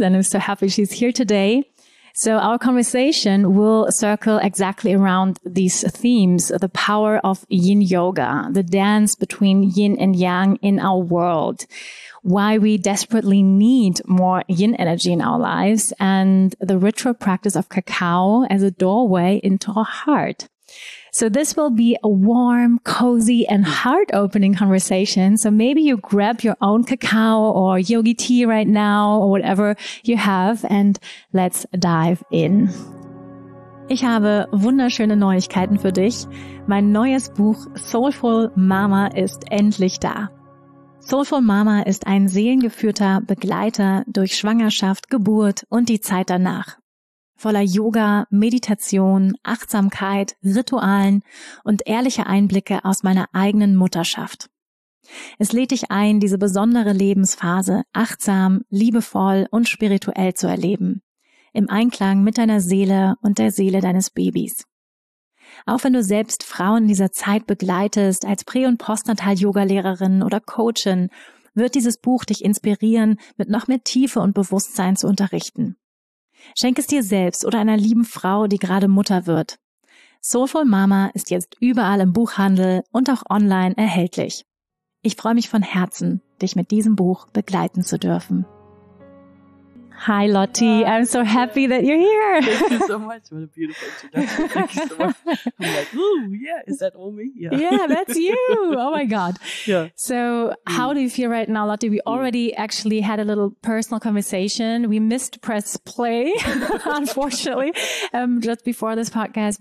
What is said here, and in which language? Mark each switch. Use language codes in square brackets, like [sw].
[en] And I'm so happy she's here today. So our conversation will circle exactly around these themes, the power of yin yoga, the dance between yin and yang in our world, why we desperately need more yin energy in our lives, and the ritual practice of cacao as a doorway into our heart. So this will be a warm, cozy, and heart-opening conversation. So maybe you grab your own cacao or yogi tea right now or whatever you have, and let's dive in. [de] Ich habe wunderschöne Neuigkeiten für dich. Mein neues Buch Soulful Mama ist endlich da. Soulful Mama ist ein seelengeführter Begleiter durch Schwangerschaft, Geburt und die Zeit danach. Voller Yoga, Meditation, Achtsamkeit, Ritualen und ehrliche Einblicke aus meiner eigenen Mutterschaft. Es lädt dich ein, diese besondere Lebensphase achtsam, liebevoll und spirituell zu erleben, im Einklang mit deiner Seele und der Seele deines Babys. Auch wenn du selbst Frauen in dieser Zeit begleitest, als Prä- und Postnatal-Yoga-Lehrerin oder Coachin, wird dieses Buch dich inspirieren, mit noch mehr Tiefe und Bewusstsein zu unterrichten. Schenk es dir selbst oder einer lieben Frau, die gerade Mutter wird. Soulful Mama ist jetzt überall im Buchhandel und auch online erhältlich. Ich freue mich von Herzen, dich mit diesem Buch begleiten zu dürfen. [en] Hi Lottie, I'm so happy that you're here. Thank you so much. What a beautiful introduction. Thank you so much. I'm like, ooh, yeah, is that all me? Yeah, that's you. Oh my God. Yeah. So how do you feel right now, Lottie? We already actually had a little personal conversation. We missed press play, unfortunately, just before this podcast.